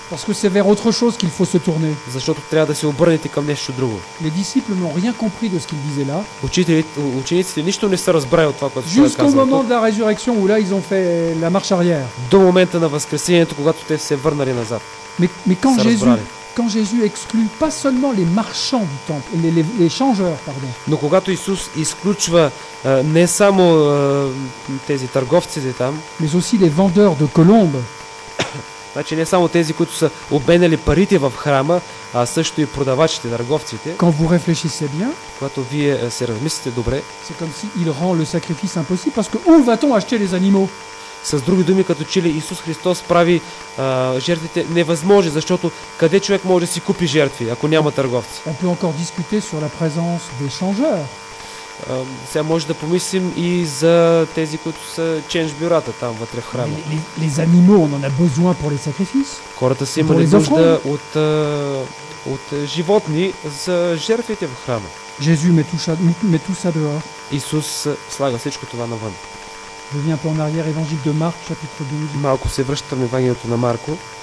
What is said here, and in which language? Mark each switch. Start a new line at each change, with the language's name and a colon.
French: Parce que c'est vers autre chose qu'il faut se tourner.
Bulgarian: Защото трябва да се обърнете към нещо друго.
French: Les disciples n'ont rien compris de ce qu'il disait là.
Bulgarian: Учениците нищо не са разбрали от това, което той казва.
French: Jusqu'au moment de la résurrection où là ils ont fait la marche arrière.
Bulgarian: До момента на възкресението, когато те се върнали назад.
French: Mais quand Jésus Quand Jésus exclut pas seulement les marchands du temple, les changeurs, pardon.
Bulgarian: Но когато Исус изключва не само тези търговци там,
French: mais aussi les vendeurs de colombes.
Bulgarian: Значи не само тези, които са обменяли парите в храма, а също и продавачите, търговците.
French: Quand vous réfléchissez bien,
Bulgarian: когато вие се размислите добре,
French: c'est comme si il rend le sacrifice impossible parce que où va-t-on acheter les animaux?
Bulgarian: С други думи, като че ли Исус Христос прави жертвите невъзможни, защото къде човек може да си купи жертви, ако няма търговци?
French: On peut encore discuter sur la présence des changeurs.
Bulgarian: Сега може да помислим и за тези, които са ченж бюрата там вътре в храма.
French: Les animaux, on en a besoin pour les sacrifices.
Bulgarian: Хората си имали нужда от животни за жертвите в храма.
French: Jésus met tout ça dehors.
Bulgarian: Исус слага всичко това навън.
French: Je viens un peu en arrière, Évangile de Marc, chapitre 12.
Bulgarian: Малко се връщам в Евангелието на Марко.